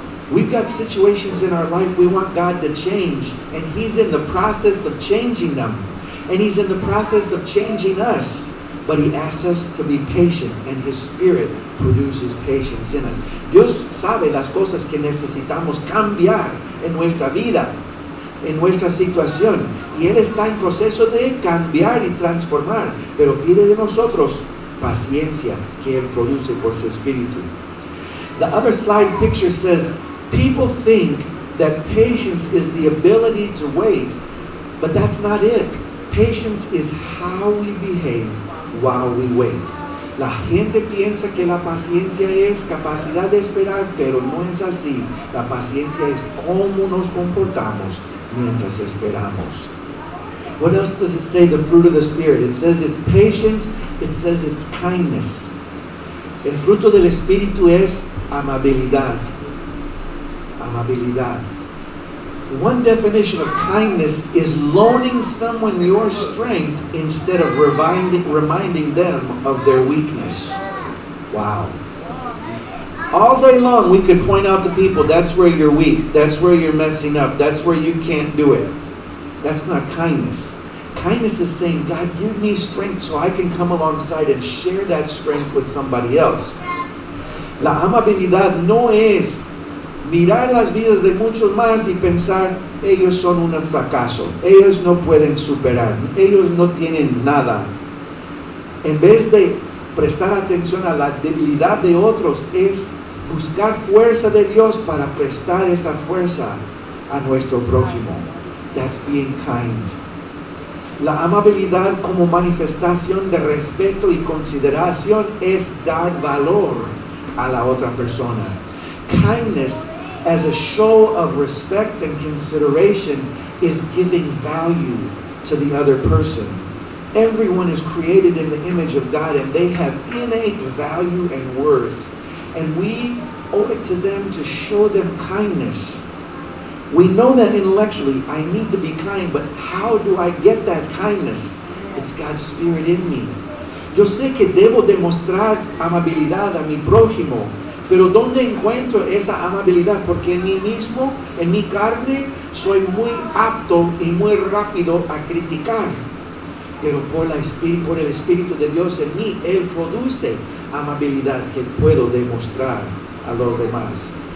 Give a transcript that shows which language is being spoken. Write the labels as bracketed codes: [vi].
[en] We've got situations in our life we want God to change, and He's in the process of changing them, and He's in the process of changing us, but He asks us to be patient, and His Spirit produces patience in us. [es] Dios sabe las cosas que necesitamos cambiar en nuestra vida, en nuestra situación, y Él está en proceso de cambiar y transformar, pero pide de nosotros paciencia que Él produce por su Espíritu. [en] The other slide picture says, people think that patience is the ability to wait, but that's not it. Patience is how we behave while we wait. [es] La gente piensa que la paciencia es capacidad de esperar, pero no es así. La paciencia es cómo nos comportamos mientras esperamos. [en] What else does it say, the fruit of the Spirit? It says it's patience, it says it's kindness. [es] El fruto del Espíritu es amabilidad. Amabilidad. [en] One definition of kindness is loaning someone your strength instead of reminding them of their weakness. Wow. All day long, we could point out to people, that's where you're weak, that's where you're messing up, that's where you can't do it. That's not kindness. Kindness is saying, God, give me strength so I can come alongside and share that strength with somebody else. [es] La amabilidad no es mirar las vidas de muchos más y pensar, ellos son un fracaso, ellos no pueden superar, ellos no tienen nada. En vez de prestar atención a la debilidad de otros, es buscar fuerza de Dios para prestar esa fuerza a nuestro prójimo. [en] That's being kind. [es] La amabilidad como manifestación de respeto y consideración es dar valor a la otra persona. [en] Kindness as a show of respect and consideration is giving value to the other person. Everyone is created in the image of God and they have innate value and worth. And we owe it to them to show them kindness. We know that intellectually I need to be kind, but how do I get that kindness? It's God's spirit in me. [es] Yo sé que debo demostrar amabilidad a mi prójimo, pero ¿dónde encuentro esa amabilidad? Porque en mí mismo, en mi carne, soy muy apto y muy rápido a criticar. Pero por el Espíritu de Dios en mí, Él produce amabilidad que puedo demostrar a los demás.